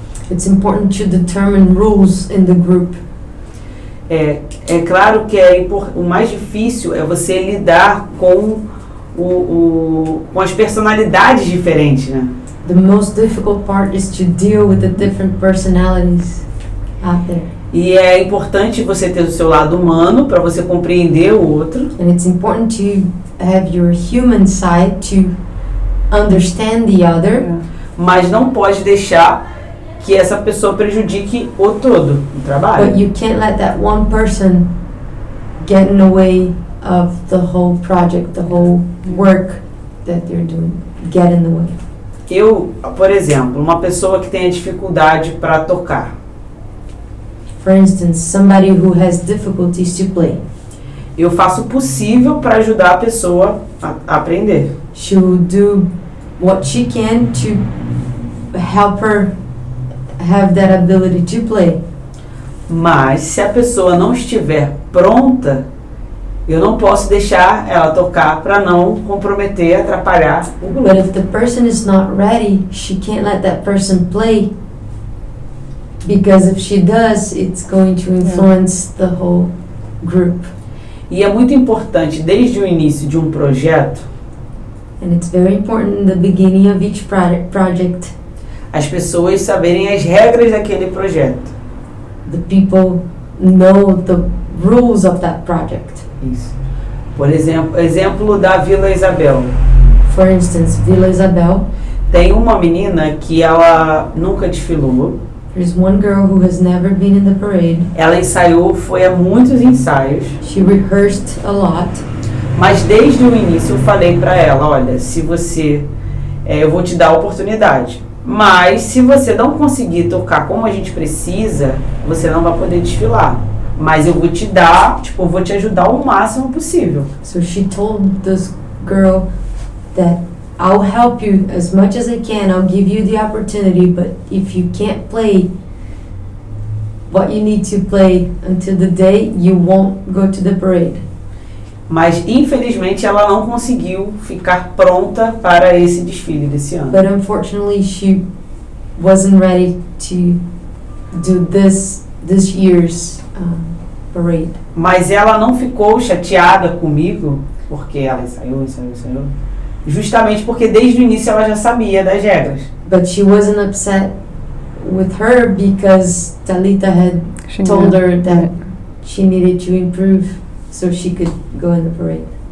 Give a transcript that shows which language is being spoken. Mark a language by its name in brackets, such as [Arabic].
[English] It's important to determine rules in the group. [Portuguese] É claro que o mais difícil é você lidar com com as personalidades diferentes, né? [English] The most difficult part is to deal with the different personalities out there. [Portuguese] E é importante você ter o seu lado humano para você compreender o outro. [English] And it's important to have your human side to understand the other. [Portuguese] Mas não pode deixar que essa pessoa prejudique o todo, o trabalho. [English] But you can't let that one person get in the way of the whole project, the whole work that you're doing, get in the way. [Portuguese] Eu, por exemplo, uma pessoa que tem dificuldade para tocar. [English] For instance, somebody who has difficulties to play. [Portuguese] Eu faço o possível para ajudar a pessoa a aprender. [English] She will do what she can to help her have that ability to play. [Portuguese] Mas se a pessoa não estiver pronta, eu não posso deixar ela tocar para não comprometer, atrapalhar o grupo. [English] But if the person is not ready, she can't let that person play. Because if she does, it's going to influence the whole group. [Portuguese] E é muito importante desde o início de um projeto. [English] And it's very important in the beginning of each project. [Portuguese] As pessoas saberem as regras daquele projeto. [English] The people know the rules of that project. [Portuguese] Isso. Por exemplo da Vila Isabel. [English] For instance, Vila Isabel. [Portuguese] Tem uma menina que ela nunca desfilou. [English] There's one girl who has never been in the parade. [Portuguese] Ela ensaiou, foi a muitos ensaios. [English] She rehearsed a lot. [Portuguese] Mas desde o início eu falei para ela, olha, se você... eu vou te dar a oportunidade. Mas se você não conseguir tocar como a gente precisa, você não vai poder desfilar. Mas eu vou te dar, tipo, vou te ajudar o máximo possível. [English] So she told this girl that I'll help you as much as I can. I'll give you the opportunity, but if you can't play what you need to play until the day, you won't go to the parade. [Portuguese] Mas infelizmente ela não conseguiu ficar pronta para esse desfile desse ano. [English] But unfortunately she wasn't ready to do this year's parade. [Portuguese] Mas ela não ficou chateada comigo porque ela ensaiou. Justamente porque desde o início ela já sabia das regras. [English] But she wasn't upset with her because Thalita had told her that she needed to improve so she could go in the parade.